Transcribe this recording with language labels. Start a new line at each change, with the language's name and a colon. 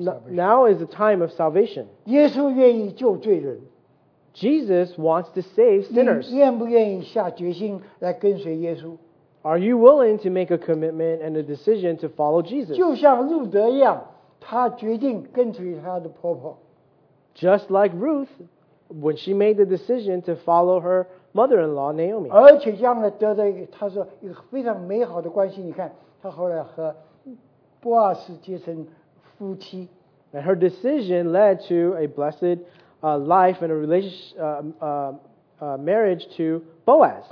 English: Now is the time of salvation.
Chinese: 耶稣愿意救罪人。
English: Jesus wants to save sinners.
Chinese: 你愿不愿意下决心来跟随耶稣？
English: Are you willing to make a commitment and a decision to follow Jesus?
Chinese: 就像路德一样，他决定跟随他的婆婆。
English: Just like Ruth, when she made the decision to follow her mother-in-law, Naomi.
Chinese: 而且将来得到一个，她说一个非常美好的关系。你看，她后来和波阿斯结成夫妻。
English: And her decision led to a blessed life and a marriage to Boaz.